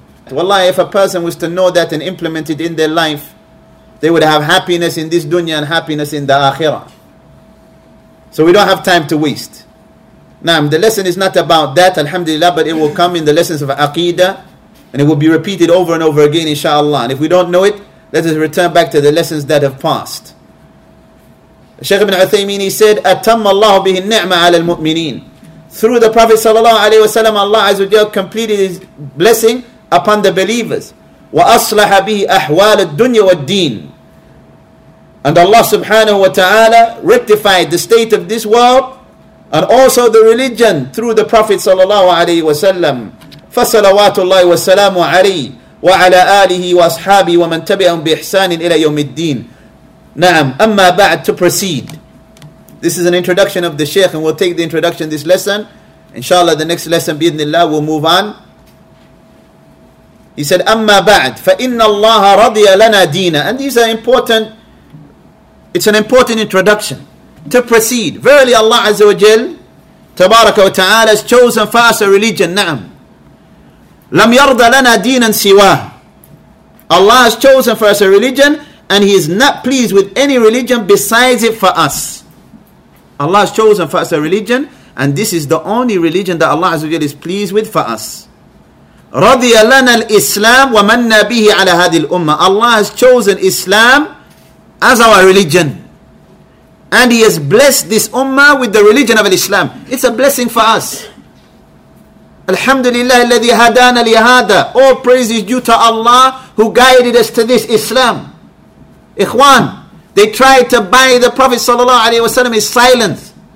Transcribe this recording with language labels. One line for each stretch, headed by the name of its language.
English: Wallahi, if a person was to know that and implement it in their life, they would have happiness in this dunya and happiness in the akhirah. So we don't have time to waste. Naam, the lesson is not about that, alhamdulillah, but it will come in the lessons of aqeedah. And it will be repeated over and over again, inshallah. And if we don't know it, let us return back to the lessons that have passed. Shaykh ibn Uthaymeen, he said,
Arabic: أَتَمَّ اللَّهُ بِهِ النِّعْمَ عَلَى الْمُؤْمِنِينَ.
English: Through the Prophet sallallahu alayhi wa sallam, Allah Azza wa Jalla completed His blessing upon the believers.
Arabic: وَأَصْلَحَ بِهِ أَحْوَالَ الدُّنْيَا وَالدِّينَ.
English: And Allah subhanahu wa ta'ala rectified the state of this world and also the religion through the Prophet sallallahu alayhi wa sallam.
Arabic: فَصَلَوَاتُ اللَّهِ وَسَّلَامُ عَلَيْهِ وَعَلَىٰ آلِهِ وَأَصْحَابِهِ وَمَنْ تَبِعَهُمْ بِإِحْسَانٍ إِلَىٰ يَوْمِ الدِّينِ. نَعَمْ أَمَّا بَعْدْ.
English: To proceed. This is an introduction of the Shaykh, and we'll take the introduction this lesson. Inshallah, the next lesson,
Arabic: بِإِذْنِ اللَّهِ,
English: we'll move on. He said,
Arabic: أَمَّا بَعْدْ فَإِنَّ اللَّهَ رَضِيَ لَنَا دِينًا.
English: And these are important, it's an important introduction. To proceed. Verily Allah Azza wa Jal, Tabaraka wa Ta'ala, has chosen for us a religion.
Arabic: نعم. لَمْ يَرْضَ لَنَا دِينًا سِوَاهُ.
English: Allah has chosen for us a religion and he is not pleased with any religion besides it for us. Allah has chosen for us a religion, and this is the only religion that Allah Azza wa Jalla is pleased with for us.
Arabic: رَضِيَ لَنَا الْإِسْلَامِ وَمَنَّا بِهِ عَلَى هَذِي الْأُمَّةِ
English: Allah has chosen Islam as our religion. And he has blessed this ummah with the religion of Islam. It's a blessing for us. Alhamdulillah
Arabic: الَّذِي هَدَانَا لِهَادَى
English: All praise is due to Allah who guided us to this Islam. Ikhwan, they tried to buy the Prophet ﷺ his silence.